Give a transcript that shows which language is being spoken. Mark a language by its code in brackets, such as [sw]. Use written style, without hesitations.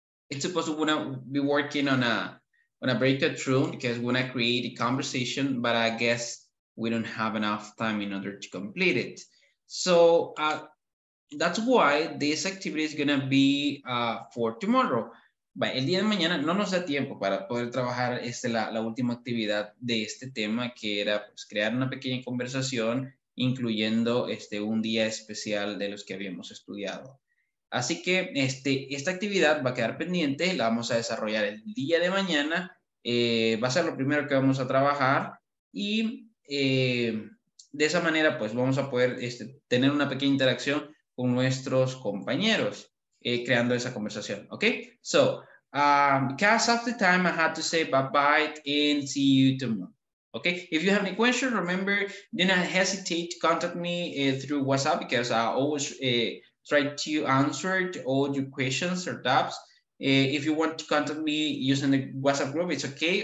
[en] It's supposed to wanna be working on a breakthrough because we're gonna create a conversation, but I guess we don't have enough time in order to complete it. So that's why this activity is gonna be for tomorrow. [es] But el día de mañana no nos da tiempo para poder trabajar la última actividad de este tema, que era pues, crear una pequeña conversación, incluyendo un día especial de los que habíamos estudiado. Así que esta actividad va a quedar pendiente, la vamos a desarrollar el día de mañana, va a ser lo primero que vamos a trabajar y de esa manera pues vamos a poder tener una pequeña interacción con nuestros compañeros creando esa conversación, ¿ok? [en] So, because of the time I had to say bye-bye and see you tomorrow. Okay, if you have any questions, remember, do not hesitate to contact me through WhatsApp because I always try to answer to all your questions or doubts. If you want to contact me using the WhatsApp group, it's okay.